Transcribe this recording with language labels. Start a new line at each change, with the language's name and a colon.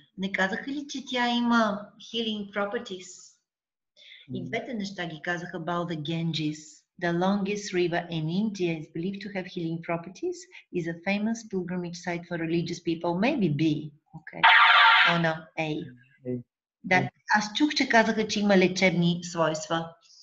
Bulgarian: Не казаха ли, че тя има
English: healing properties?
Bulgarian: И двете неща ги казаха
English: about the Ganges. The longest river in India is believed to have healing properties, is a famous pilgrimage site for religious people. Maybe B. Okay. Oh no, A.
Bulgarian: Да, аз чух, че казаха, че има лечебни свойства.